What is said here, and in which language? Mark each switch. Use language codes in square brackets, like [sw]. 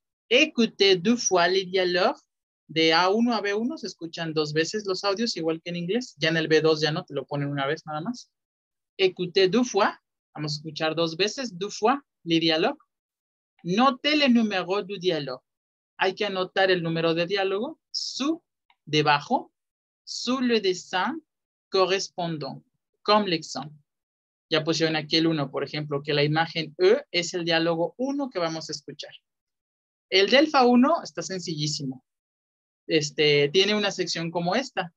[fr] Écoutez deux fois les dialogues. [es] De A1 a B1 se escuchan dos veces los audios, igual que en inglés. Ya en el B2 ya no, te lo ponen una vez nada más. [fr] Écoutez deux fois. [es] Vamos a escuchar dos veces. [fr] Deux fois, le dialogue. Note le numéro du dialogue. [es] Hay que anotar el número de diálogo. Sous, debajo. [fr] Sous le dessin correspondant. Comme l'exemple. [es] Ya pusieron aquí el 1, por ejemplo, que la imagen E es el diálogo 1 que vamos a escuchar. El DELF A1 está sencillísimo. Tiene una sección como esta.